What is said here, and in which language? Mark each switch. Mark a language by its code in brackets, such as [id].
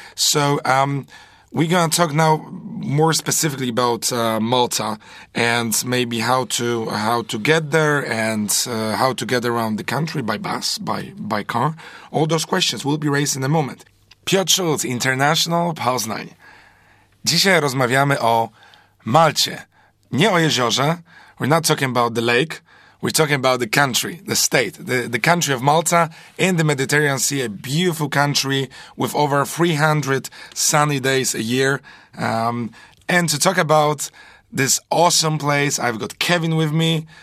[en] So we're going to talk now more specifically about Malta and maybe how to get there and how to get around the country by bus, by car. All those questions will be raised in a moment. Piotr Schulz, International Poznań. [pl] Dzisiaj rozmawiamy o Malcie. Nie o jeziorze. [en] We're not talking about the lake. We're talking about the country, the state, the country of Malta in the Mediterranean Sea, a beautiful country with over 300 sunny days a year. And to talk about this awesome place, I've got Kevin with me.